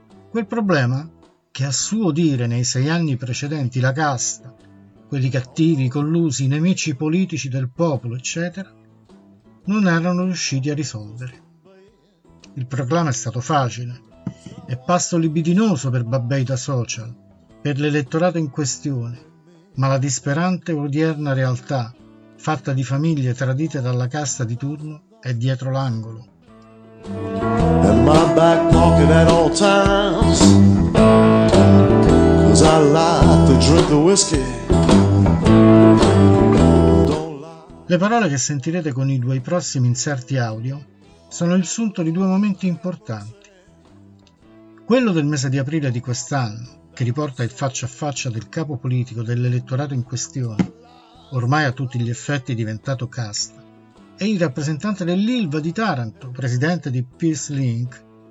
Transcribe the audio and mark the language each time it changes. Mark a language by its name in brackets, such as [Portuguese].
[Italian] Quel problema che, a suo dire, nei 6 anni precedenti la casta, quelli cattivi, collusi, nemici politici del popolo, eccetera, non erano riusciti a risolvere. Il proclama è stato facile, è pasto libidinoso per Babbeida Social, per l'elettorato in questione, ma la disperante odierna realtà, fatta di famiglie tradite dalla casta di turno, è dietro l'angolo. [English] In my back pocket at all times, 'cause I like to drink the whiskey. [Italian] Le parole che sentirete con i 2 prossimi inserti audio sono il sunto di 2 momenti importanti. Quello del mese di aprile di quest'anno, che riporta il faccia a faccia del capo politico dell'elettorato in questione, ormai a tutti gli effetti diventato casta, e il rappresentante dell'Ilva di Taranto, presidente di Peace Link,